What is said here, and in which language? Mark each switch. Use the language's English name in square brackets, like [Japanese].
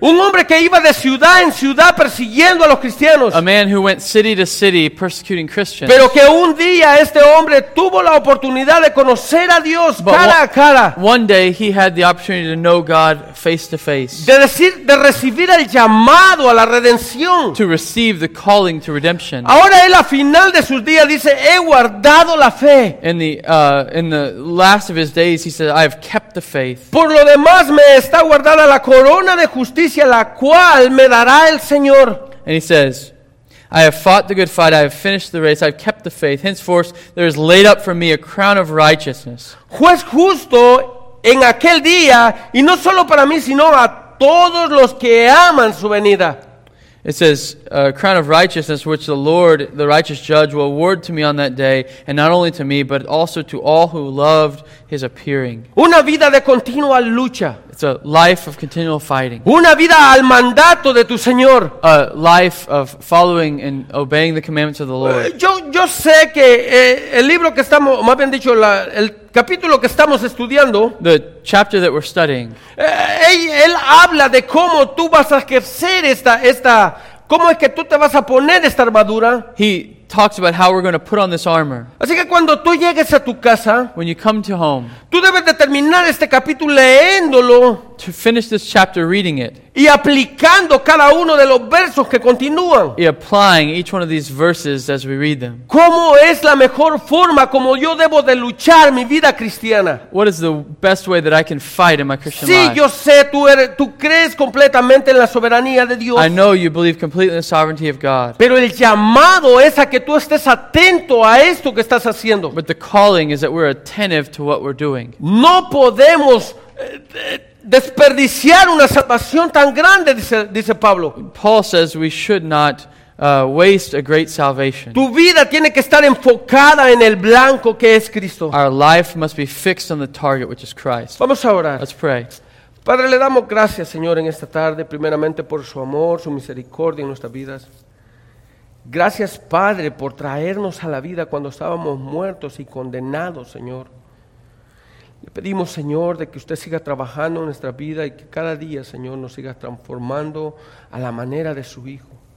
[Spanish] Un hombre que iba de ciudad en ciudad persiguiendo a los cristianos. [English] A man who went city to city persecuting Christians. [Spanish] Pero que un día este hombre tuvo la oportunidad de conocer a Dios cara a cara. [English] One day he had the opportunity to know God face to face. [Spanish] De recibir el llamado a la redención. [English] To receive the calling to redemption. [Spanish] Ahora él al final de sus días dice, he guardado la fe. [English] In the last of his days, he said, I have kept the faith. [Spanish] Por lo demás me está guardada la corona de justicia, la cual me dará el Señor. [English] And he says, I have fought the good fight, I have finished the race, I have kept the faith. Henceforth, there is laid up for me a crown of righteousness. [Spanish] Juez justo en aquel día, y no solo para mí, sino a todos los que aman su venida. [English] It says, a crown of righteousness which the Lord, the righteous judge, will award to me on that day, and not only to me, but also to all who loved his appearing. [Spanish] Una vida de continua lucha. [English] It's a life of continual fighting. [Spanish] Una vida al mandato de tu Señor. [English] A life of following and obeying the commandments of the Lord. [Spanish] Yo sé que el libro que estamos, más bien dicho, el capítulo que estamos estudiando, [English] the chapter that we're studying, [Spanish] él habla de cómo tú vas a ejercer esta cómo es que tú te vas a poner esta armadura. [English] He talks about how we're going to put on this armor. [Spanish] Así que cuando tú llegues a tu casa, [English] when you come to home, [Spanish] tú debes de terminar este capítulo leyéndolo, [English] to finish this chapter reading it, [Spanish] y aplicando cada uno de los versos que continúan, [English] y applying each one of these verses as we read them. [Spanish] ¿Cómo es la mejor forma como yo debo de luchar mi vida cristiana? [English] What is the best way that I can fight in my Christian [Spanish] sí, [English] life? [Spanish] Sí, yo sé, tú crees completamente en la soberanía de Dios. [English] I know you believe completely in the sovereignty of God. [Spanish] Pero el llamado es a que tú estés atento a esto que estás haciendo. [English] But the calling is that we're attentive to what we're doing. [Spanish] No podemos desperdiciar una salvación tan grande, dice Pablo. [English] Paul says we should not waste a great salvation. [Spanish] Tu vida tiene que estar enfocada en el blanco que es Cristo. [English] Our life must be fixed on the target, which is Christ. [Spanish] Vamos a orar. [English] Let's pray. [Spanish] Padre, le damos gracias, Señor, en esta tarde, primeramente por su amor, su misericordia en nuestras vidas. Gracias, Padre, por traernos a la vida cuando estábamos muertos y condenados, Señor. Le pedimos, Señor, de que usted siga trabajando en nuestra vida y que cada día, Señor, nos siga transformando a la manera de su Hijo.